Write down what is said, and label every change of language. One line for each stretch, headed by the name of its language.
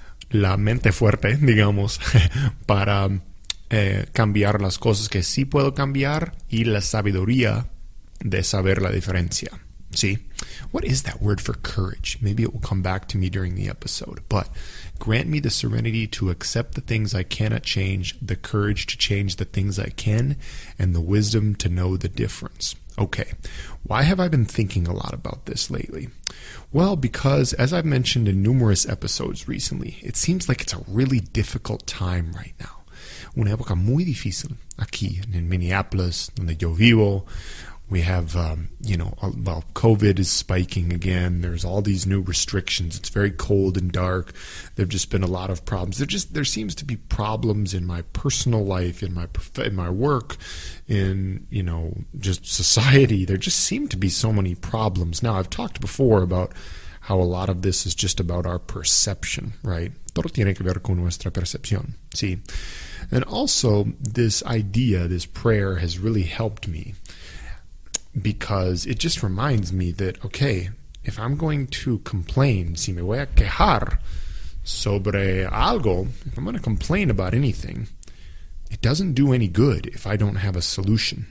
Spanish: La mente fuerte, digamos, para cambiar las cosas que sí puedo cambiar y la sabiduría de saber la diferencia.
English: ¿Sí? What is that word for courage? Maybe it will come back to me during the episode, but grant me the serenity to accept the things I cannot change, the courage to change the things I can, and the wisdom to know the difference. Okay, why have I been thinking a lot about this lately? Well, because as I've mentioned in numerous episodes recently, it seems like it's a really difficult time right now.
Spanish: Una época muy difícil aquí en Minneapolis, donde yo vivo.
English: We have, COVID is spiking again. There's all these new restrictions. It's very cold and dark. There've just been a lot of problems. There seems to be problems in my personal life, in my work, in, you know, just society. There just seem to be so many problems. Now, I've talked before about how a lot of this is just about our perception, right?
Spanish: Todo tiene que ver con nuestra percepción, ¿sí?
English: And also, this idea, this prayer has really helped me, because it just reminds me that, okay, if I'm going to complain,
Spanish: si me voy a quejar sobre algo,
English: if I'm going to complain about anything, it doesn't do any good if I don't have a solution.